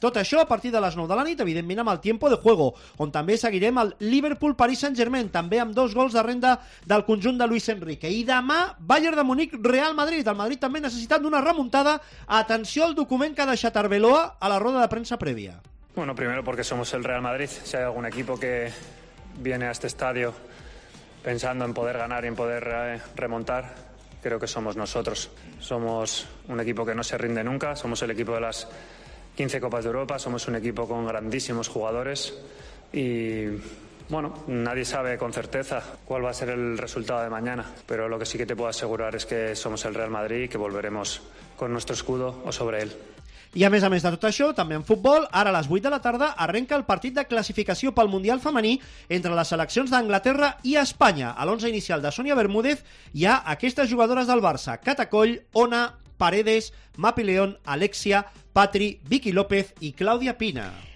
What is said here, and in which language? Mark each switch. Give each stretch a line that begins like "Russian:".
Catalan: Tot això a partir de les 9 de la nit, evidentment amb el Tiempo de Juego, on també seguirem el Liverpool-Paris Saint-Germain, també amb dos gols de renda del conjunt de Luis Enrique. I demà, Bayern de Múnich-Real Madrid. El Madrid també necessitant d'una remuntada. Atenció al document que ha deixat Arbeloa a la roda de premsa prèvia.
Spanish: Bueno, primero porque somos el Real Madrid. Si hay algún equipo que viene a este estadio pensando en poder ganar y en poder remontar, creo que somos nosotros. Somos un equipo que no se rinde nunca, somos el equipo de las 15 Copas de Europa, somos un equipo con grandísimos jugadores y, bueno, nadie sabe con certeza cuál va a ser el resultado de mañana, pero lo que sí que te puedo asegurar es que somos el Real Madrid y que volveremos con nuestro escudo o sobre él.
Catalan: I a més de tot això, també en futbol, ara a les 8 de la tarda arrenca el partit de classificació pel Mundial Femení entre les seleccions d'Anglaterra i Espanya. A l'11 inicial de Sonia Bermúdez hi ha aquestes jugadores del Barça: Cata Coll, Ona, Paredes, Mapi León, Alexia, Patri, Vicky López i Claudia Pina.